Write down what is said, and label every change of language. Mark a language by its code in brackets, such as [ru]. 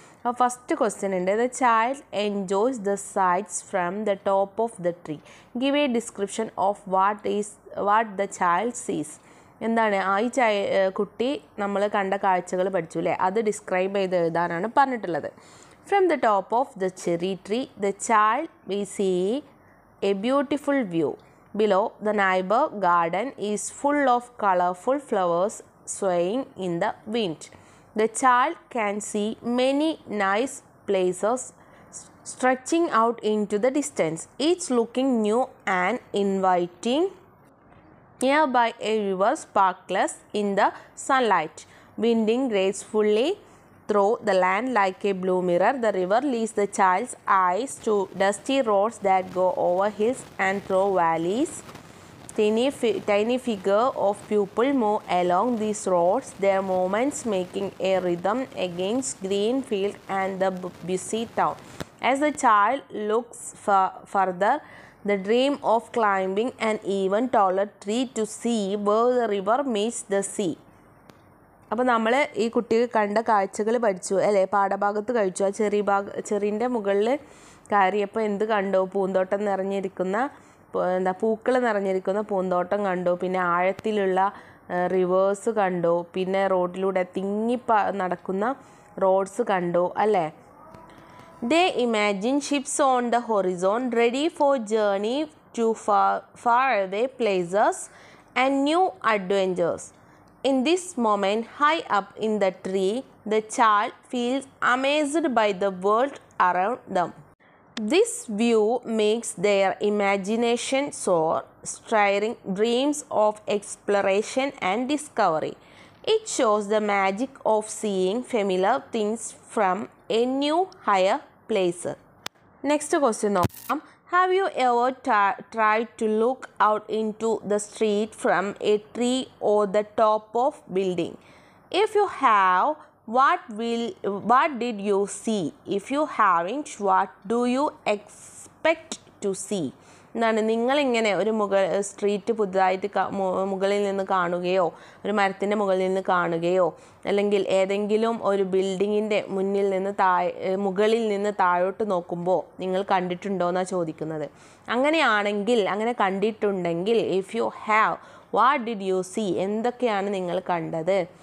[ml] അപ്പോൾ first question ഉണ്ട്, [en] The child enjoys the sights from the top of the tree, give a description of what the child sees. [ml] എന്താണ് ഈ കുട്ടി നമ്മൾ കണ്ട കാഴ്ചകൾ പഠിച്ചു അല്ലേ, അത് ഡിസ്ക്രൈബ് ചെയ്ത് എഴുതാനാണ് പറഞ്ഞിട്ടുള്ളത്. [en] From the top of the cherry tree, the child may see a beautiful view. Below, the neighbor garden is full of colorful flowers swaying in the wind. The child can see many nice places stretching out into the distance, each looking new and inviting. Nearby, a river sparkles in the sunlight, winding gracefully through the land like a blue mirror. The river leads the child's eyes to dusty roads that go over hills and through valleys. Tiny figure of people move along these roads, their movements making a rhythm against green field and the busy town. As the child looks further, the dream of climbing an even taller tree to see where the river meets the sea. [ml] അപ്പോൾ നമ്മൾ ഈ കുട്ടിക്ക് കണ്ട കാഴ്ചകൾ പഠിച്ചു അല്ലേ, പാഠഭാഗത്ത് കഴിച്ചു. ആ ചെറിയ ചെറിൻ്റെ മുകളിൽ കയറിയപ്പോൾ എന്ത് കണ്ടു, പൂന്തോട്ടം നിറഞ്ഞിരിക്കുന്ന എന്താ പൂക്കൾ നിറഞ്ഞിരിക്കുന്ന പൂന്തോട്ടം കണ്ടു, പിന്നെ ആഴത്തിലുള്ള റിവേഴ്സ് കണ്ടു, പിന്നെ റോഡിലൂടെ തിങ്ങി നടക്കുന്ന റോഡ്സ് കണ്ടു അല്ലേ. [en] They imagine ships on the horizon ready for journey to far away places and new adventures. In this moment, high up in the tree, the child feels amazed by the world around them. This view makes their imagination soar, stirring dreams of exploration and discovery. It shows the magic of seeing familiar things from a new, higher place. Next question. Have you ever tried to look out into the street from a tree or the top of building? If you have, what did you see? If you haven't, what do you expect to see? [ml] എന്നാണ്, നിങ്ങൾ ഇങ്ങനെ ഒരു മുകൾ street പുതുതായിട്ട് മുകളിൽ നിന്ന് കാണുകയോ ഒരു മരത്തിൻ്റെ മുകളിൽ നിന്ന് കാണുകയോ അല്ലെങ്കിൽ ഏതെങ്കിലും ഒരു ബിൽഡിങ്ങിൻ്റെ മുന്നിൽ നിന്ന് മുകളിൽ നിന്ന് താഴോട്ട് നോക്കുമ്പോൾ നിങ്ങൾ കണ്ടിട്ടുണ്ടോയെന്നാണ് ചോദിക്കുന്നത്. അങ്ങനെയാണെങ്കിൽ, അങ്ങനെ കണ്ടിട്ടുണ്ടെങ്കിൽ, [en] if you have, what did you see, [ml] എന്തൊക്കെയാണ് നിങ്ങൾ കണ്ടത്.